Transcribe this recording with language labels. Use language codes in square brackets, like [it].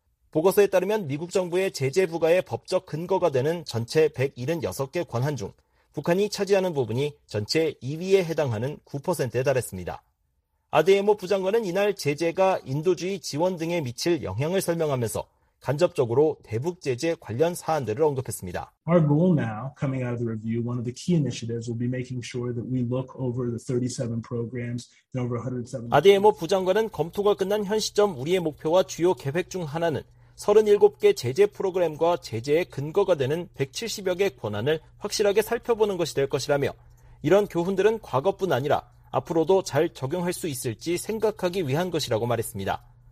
[ko] 보고서에 따르면 미국 정부의 제재 부과의 법적 근거가 되는 전체 176개 관한 중 북한이 차지하는 부분이 전체 2위에 해당하는 9%에 달했습니다. 아데예모 부장관은 이날 제재가 인도주의 지원 등에 미칠 영향을 설명하면서 간접적으로 대북 제재 관련 사안들을 언급했습니다. [en] Our goal now coming out of the review, one of the key initiatives will be making sure that we look over the 37 programs and over 170. [ko] 아데예모 부장관은 검토가 끝난 현 시점 우리의 목표와 주요 계획 중 하나는 37개 제재 프로그램과 제재의 근거가 되는 170여 개 권한을 확실하게 살펴보는 것이 될 것이라며 이런 교훈들은 과거뿐 아니라 앞으로도 잘 적용할 수 있을지 생각하기 위한 것이라고 말했습니다.